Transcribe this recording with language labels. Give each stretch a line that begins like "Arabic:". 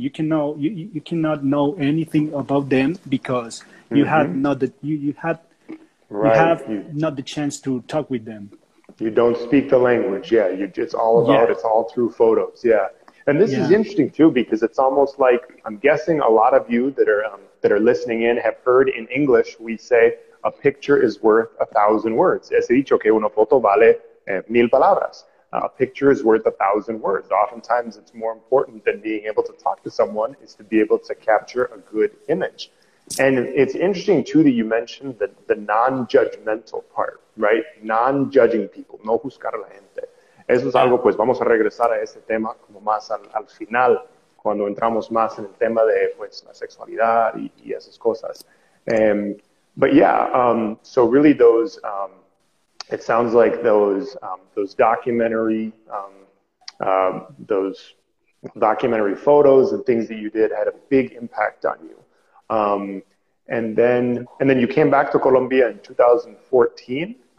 English: You can know you cannot know anything about them because you have not the not the chance to talk with them. You don't speak the language. Yeah, you, it's all about it's all through photos. Yeah, and this is interesting too, because it's almost like, I'm guessing a lot of you that are listening in have heard in English we say a picture is worth a thousand words.
Spanish: Ya se dicho que una foto vale mil palabras.
English: A picture is worth a thousand words. Oftentimes, it's more important than being able to talk to someone is to be able to capture a good image. And it's interesting, too, that you mentioned the non-judgmental part, right? Non-judging people,
Spanish: no juzgar a la gente. Eso es algo, pues, vamos a regresar a ese tema como más al, al final, cuando entramos más en el tema de, pues, la sexualidad y, y esas cosas.
English: But, yeah, so really those... it sounds like those documentary those documentary photos and things that you did had a big impact on you, and then you came back to Colombia in 2014.